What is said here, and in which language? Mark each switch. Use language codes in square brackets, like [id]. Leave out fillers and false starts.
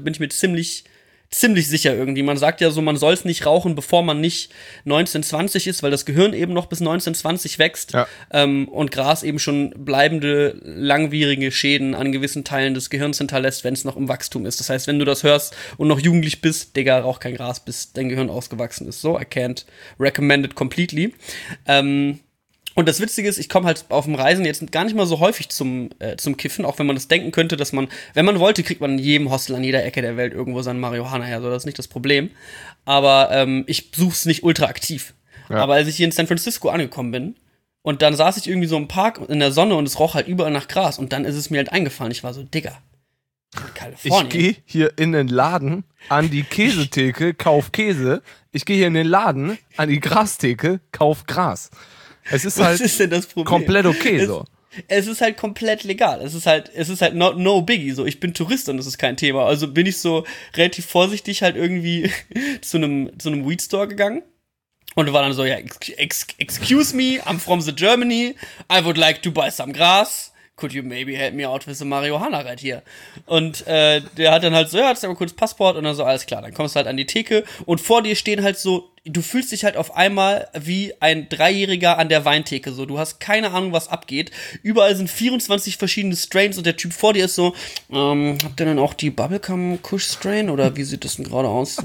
[de] Bin ich mir ziemlich sicher irgendwie. Man sagt ja so, man soll es nicht rauchen, bevor man nicht 19, 20 ist, weil das Gehirn eben noch bis 19, 20 wächst und Gras eben schon bleibende, langwierige Schäden an gewissen Teilen des Gehirns hinterlässt, wenn es noch im Wachstum ist. Das heißt, wenn du das hörst und noch jugendlich bist, Digga, rauch kein Gras, bis dein Gehirn ausgewachsen ist. [en] So, I can't recommend it completely. [de] Und das Witzige ist, ich komme halt auf dem Reisen jetzt gar nicht mal so häufig zum Kiffen, auch wenn man das denken könnte, dass man, wenn man wollte, kriegt man in jedem Hostel an jeder Ecke der Welt irgendwo sein Marihuana her, so, das ist nicht das Problem. Aber ich suche es nicht ultra aktiv. Ja. Aber als ich hier in San Francisco angekommen bin und dann saß ich irgendwie so im Park in der Sonne und es roch halt überall nach Gras und dann ist es mir halt eingefallen, ich war so, Digga, in Kalifornien. Ich gehe hier in den Laden an die Käsetheke, kauf Käse, ich gehe hier in den Laden an die Grastheke, kauf Gras. Es ist halt komplett okay so. Es ist halt komplett legal. Es ist halt [en] no biggie. [de] So, ich bin Tourist und das ist kein Thema. Also bin ich so relativ vorsichtig halt irgendwie zu einem Weedstore gegangen und war dann so, ja, [en] excuse me, I'm from the Germany. I would like to buy some grass. Could you maybe help me out with the Marihuana right here? [de] Und der hat dann halt so, ja, jetzt mal kurz Passport und dann so, alles klar, dann kommst du halt an die Theke und vor dir stehen halt so, du fühlst dich halt auf einmal wie ein 3-Jähriger an der Weintheke, so, du hast keine Ahnung, was abgeht, überall sind 24 verschiedene Strains und der Typ vor dir ist so, habt ihr dann auch die Bubblegum Kush Strain oder wie sieht das denn gerade aus?